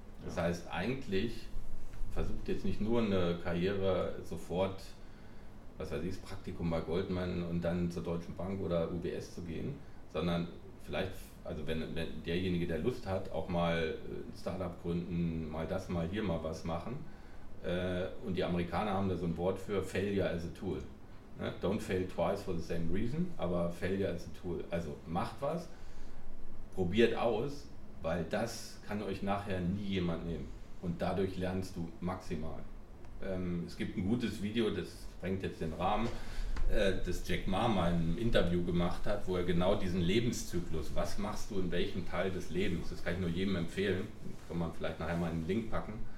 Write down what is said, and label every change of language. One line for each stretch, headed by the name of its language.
German: Das heißt, eigentlich versucht jetzt nicht nur eine Karriere sofort, was weiß ich, das Praktikum bei Goldman und dann zur Deutschen Bank oder UBS zu gehen, sondern vielleicht, also wenn derjenige, der Lust hat, auch mal ein Startup gründen, mal das, mal hier, mal was machen. Und die Amerikaner haben da so ein Wort für
English: Failure as a Tool. Don't fail twice for the same reason, aber Failure as a Tool.
German: Also macht was, probiert aus, weil das kann euch nachher nie jemand nehmen. Und dadurch lernst du maximal. Es gibt ein gutes Video, das sprengt jetzt den Rahmen, das Jack Ma mal in einem Interview gemacht hat, wo er genau diesen Lebenszyklus, was machst du in welchem Teil des Lebens, das kann ich nur jedem empfehlen, kann man vielleicht nachher mal einen Link packen.